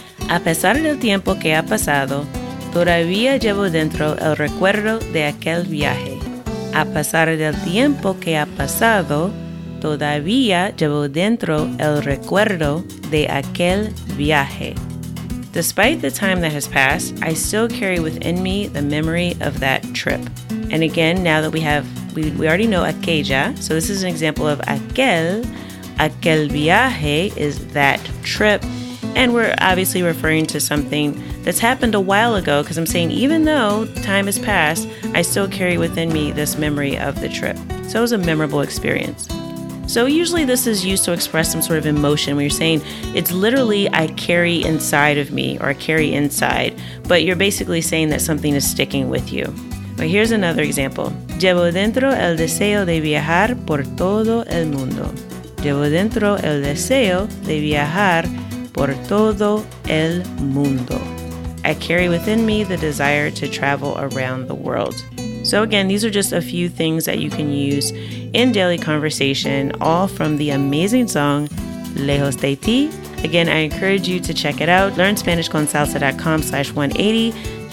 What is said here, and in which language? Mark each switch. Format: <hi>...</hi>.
<es>A pesar del tiempo que ha pasado, todavía llevo dentro el recuerdo de aquel viaje. A pesar del tiempo que ha pasado, todavía llevo dentro el recuerdo de aquel viaje.</es> <en>Despite the time that has passed, I still carry within me the memory of that trip. And again, now that we already know aquella, so this is an example of aquel.</en> <es>Aquel viaje</es> <en>is that trip. And we're obviously referring to something that's happened a while ago, because I'm saying even though time has passed, I still carry within me this memory of the trip. So it was a memorable experience. So usually this is used to express some sort of emotion where you're saying it's literally I carry inside of me or I carry inside, but you're basically saying that something is sticking with you. But here's another example.</en> <es>Llevo dentro el deseo de viajar por todo el mundo. Llevo dentro el deseo de viajar por todo el mundo.</es> <en>I carry within me the desire to travel around the world. So again, these are just a few things that you can use in daily conversation, all from the amazing song, Lejos de Ti. Again, I encourage you to check it out. LearnSpanishConSalsa.com/180.</en>